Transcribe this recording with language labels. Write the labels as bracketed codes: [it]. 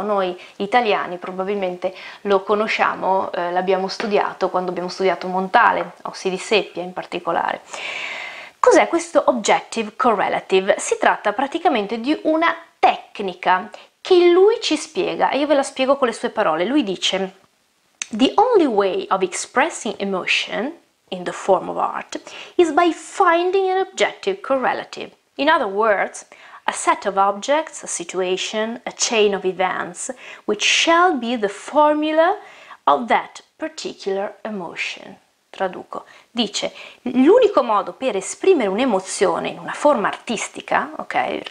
[it] Noi italiani probabilmente lo conosciamo, l'abbiamo studiato quando abbiamo studiato Montale, o Sidi Seppia in particolare. Cos'è questo objective correlative? Si tratta praticamente di una tecnica che lui ci spiega, e io ve la spiego con le sue parole. Lui dice: [en] "The only way of expressing emotion in the form of art is by finding an objective correlative. In other words, a set of objects, a situation, a chain of events, which shall be the formula of that particular emotion." [it] Traduco. Dice: l'unico modo per esprimere un'emozione in una forma artistica, ok?